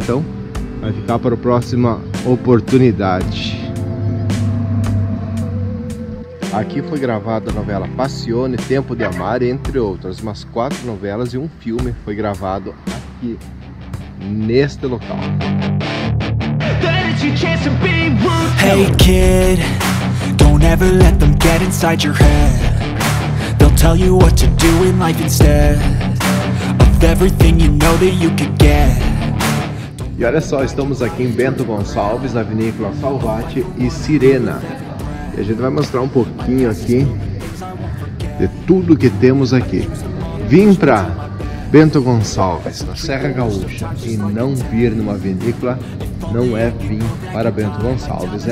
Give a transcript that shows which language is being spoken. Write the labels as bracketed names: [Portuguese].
[Portuguese] Então, vai ficar para a próxima oportunidade. Aqui foi gravada a novela Passione, Tempo de Amar, entre outras. Umas quatro novelas e um filme foi gravado aqui, neste local. [English] Hey kid, don't ever let them get inside your head. They'll tell you what to do in life instead of everything you know that you could get. [Portuguese] E olha só, estamos aqui em Bento Gonçalves, na vinícola Salvati e Sirena. E a gente vai mostrar um pouquinho aqui de tudo que temos aqui. Vim pra Bento Gonçalves, na Serra Gaúcha, e não vir numa vinícola não é vir para Bento Gonçalves.